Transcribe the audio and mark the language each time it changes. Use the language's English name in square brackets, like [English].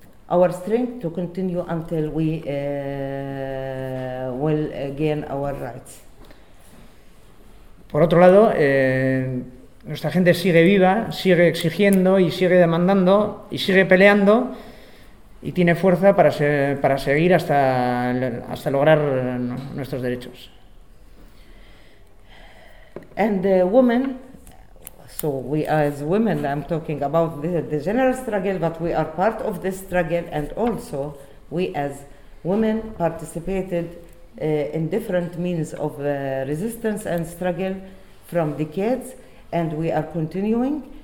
[English] our strength to continue until we will gain our rights. [Spanish] Por otro lado, nuestra gente sigue viva, sigue exigiendo y sigue demandando y sigue peleando y tiene fuerza para seguir hasta lograr nuestros derechos. [English] And the women, so we as women, I'm talking about the general struggle, but we are part of this struggle, and also we as women participated in different means of resistance and struggle from decades, and we are continuing.